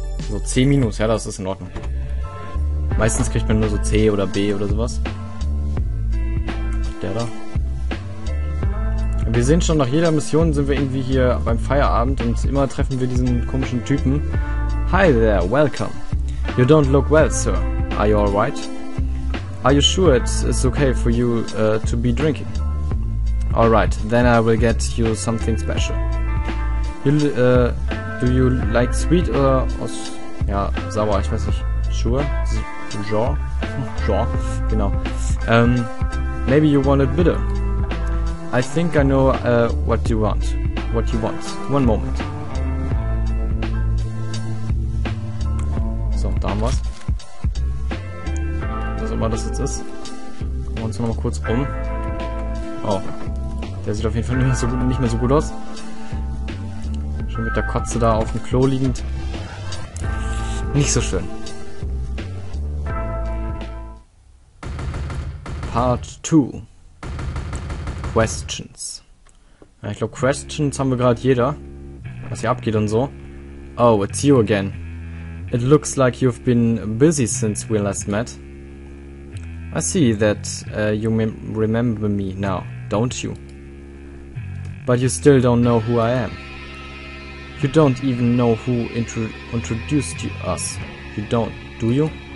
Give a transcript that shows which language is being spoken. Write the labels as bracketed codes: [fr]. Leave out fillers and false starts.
[de] So C minus, ja, das ist in Ordnung. Meistens kriegt man nur so C oder B oder sowas. Der da. Wir sehen schon, nach jeder Mission sind wir irgendwie hier beim Feierabend und immer treffen wir diesen komischen Typen. [en] Hi there, welcome. You don't look well, sir. Are you alright? Are you sure it's okay for you to be drinking? Alright, then I will get you something special. Do you like sweet or... [de] Ja, sauer, ich weiß nicht. [en] Sure? Genre? [de] Genau. [en] Maybe you want it bitter. I think I know what you want. What you want. One moment. [de] So, da haben wir es. Was immer das jetzt ist. Gucken wir uns nochmal kurz um. Oh. Der sieht auf jeden Fall nicht mehr so gut aus. Schon mit der Kotze da auf dem Klo liegend. Nicht so schön. [en] Part 2. Questions. [de] Ja, ich glaube, Questions haben wir gerade jeder, was hier abgeht und so. [en] Oh, it's you again. It looks like you've been busy since we last met. I see that you remember me now, don't you? But you still don't know who I am. You don't even know who introduced us. You don't, do you?